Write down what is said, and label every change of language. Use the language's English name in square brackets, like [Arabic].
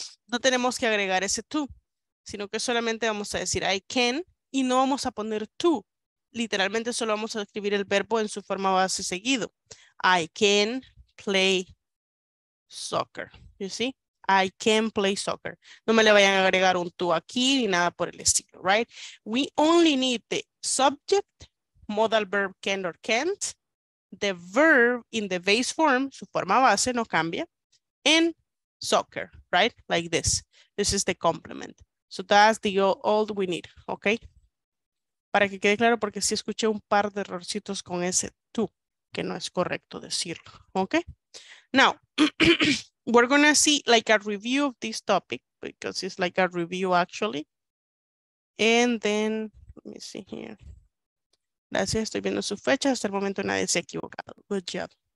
[Spanish] No tenemos que agregar ese to, sino que solamente vamos a decir [English] I can [Spanish] y no vamos a poner to. Literalmente solo vamos a escribir el verbo en su forma base seguido. [English] I can play soccer. You see? I can play soccer. [Spanish] No me le vayan a agregar un to aquí ni nada por el estilo, right? [English] We only need the subject, modal verb can or can't, the verb in the base form, [Spanish] su forma base, no cambia, [English] in soccer, right? Like this. This is the complement. So that's the old we need, okay? [Spanish] Para que quede claro, porque sí escuché un par de errorcitos con ese tú, que no es correcto decirlo, okay? [English] Now, we're gonna see like a review of this topic, because it's like a review actually. And then, let me see here. [Spanish] Gracias, estoy viendo su fecha. Hasta el momento nadie se ha equivocado. [English] Good job.